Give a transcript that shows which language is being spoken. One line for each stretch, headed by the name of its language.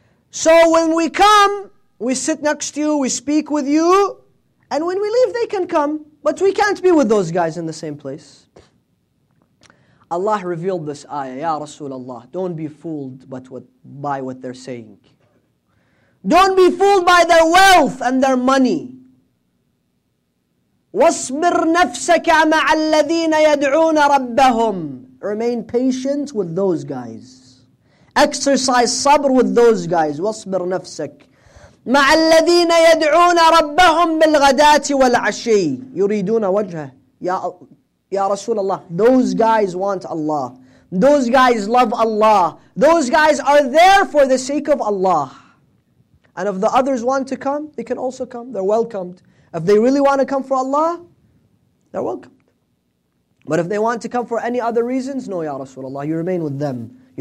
English: So when we come, we sit next to you, we speak with you, and when we leave, they can come. But we can't be with those guys in the same place. Allah revealed this ayah. Ya Rasulullah, don't be fooled by what they're saying. Don't be fooled by their wealth and their money.
Arabic: وَاصْبِرْ نَفْسَكَ مَعَ الَّذِينَ يَدْعُونَ رَبَّهُمْ
English: Remain patient with those guys. Exercise sabr with those guys.
Arabic: وَاصْبِرْ نَفْسَكَ مع الذين يدعون ربهم بالغداة والعشي يريدون وجهه يا رسول الله.
English: Those guys want Allah. Those guys love Allah. Those guys are there for the sake of Allah. And if the others want to come, they can also come. They're welcomed. If they really want to come for Allah, they're welcomed. But if they want to come for any other reasons, no, ya رسول الله. You remain with them.